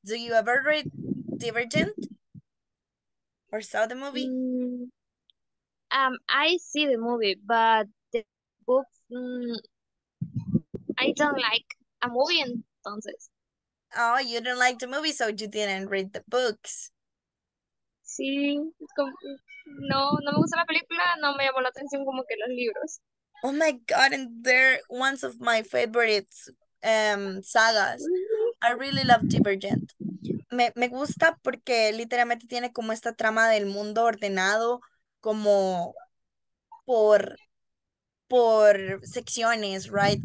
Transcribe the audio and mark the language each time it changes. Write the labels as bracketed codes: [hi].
[en] Do you ever read Divergent? Or saw the movie? I see the movie, but the book, I don't like a movie, [es] entonces. [en] Oh, you didn't like the movie, so you didn't read the books. [es] Sí, no me gusta la película, no me llamó la atención como que los libros. [en] Oh my God, and they're one of my favorite sagas. I really love Divergent. [es] Me gusta porque literalmente tiene como esta trama del mundo ordenado como por secciones, right?